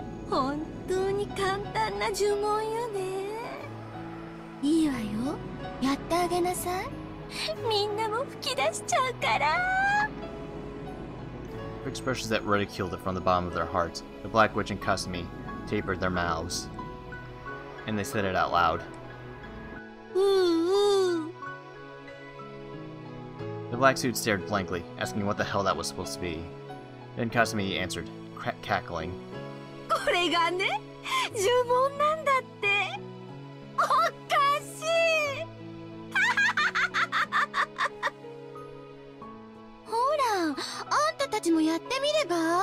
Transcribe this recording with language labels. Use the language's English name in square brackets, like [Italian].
[Japanese] 本当に簡単な呪文よね。いいわよ、やってあげなさい。みんなも吹き出しちゃうから。 [English] For expressions that ridiculed it from the bottom of their hearts, the Black Witch and Kasumi tapered their mouths and they said it out loud. The black suit stared blankly, asking what the hell that was supposed to be. Then Kasumi answered, cackling. [Japanese] これがね、呪文なんだって。おかしい。ほら、あんたたちもやってみれば。